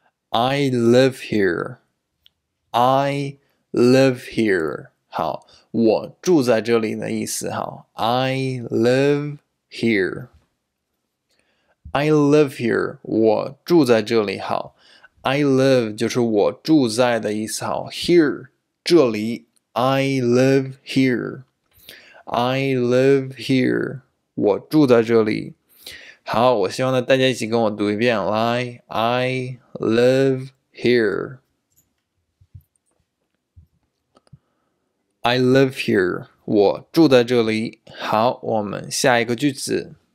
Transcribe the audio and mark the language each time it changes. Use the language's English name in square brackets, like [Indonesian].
[English] I live here. I live here. [Chinese] 好，我住在这里的意思。好 ， [English] I live here. I live here. [Chinese] 我住在这里。好 ， [English] I live [Chinese] 就是我住在的意思。 [English] 好 ，here 这里 ，I live here. I live here. [Chinese] 我住在这里。好，我希望呢大家一起跟我读一遍。 [English] 来 ，I live here. I live here. [Chinese] 我住在这里。好，我们下一个句子。